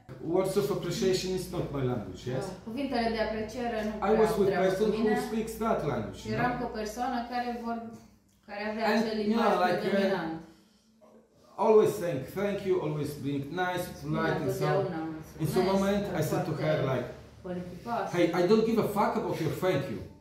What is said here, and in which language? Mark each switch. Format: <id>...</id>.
<en>Words of appreciation is not my language, yes?</en> <ro>Cuvintele de apreciere nu</ro> <en>prea. I was with a person who speaks that language.</en> <ro>Eram cu o persoană care avea acel limbaj dominant.</ro> <en>Always saying thank you, always being nice, polite and so. In some moment I said to her like, hey, I don't give a fuck about your thank you.</en>